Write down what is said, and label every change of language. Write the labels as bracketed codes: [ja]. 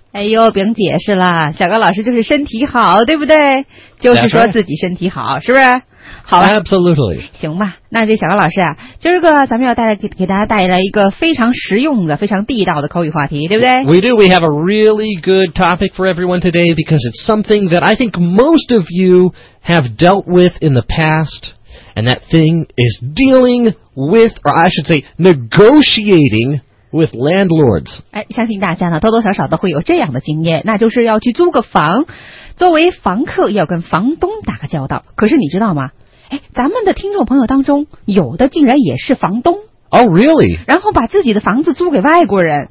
[zh] 哎呦，不用解释了，小高老师就是身体好，对不对？就是说自己身体好，是不是？好了 [en] ，Absolutely. [zh] 行吧，那这小高老师啊，今儿个咱们要给大家带来一个非常实用的、非常地道的口语话题，对不对 [en] ？We do. We have a really good topic for everyone today because it's something that I think most of you have dealt with in the past, and that thing is dealing with, or I should say, negotiating. With landlords. [zh] 哎，相信大家呢，多多少少都会有这样的经验，那就是要去租个房，作为房客要跟房东打个交道。可是你知道吗？哎，咱们的听众朋友当中，有的竟然也是房东。 [en] Oh, really? [zh] 然后把自己的房子租给外国人。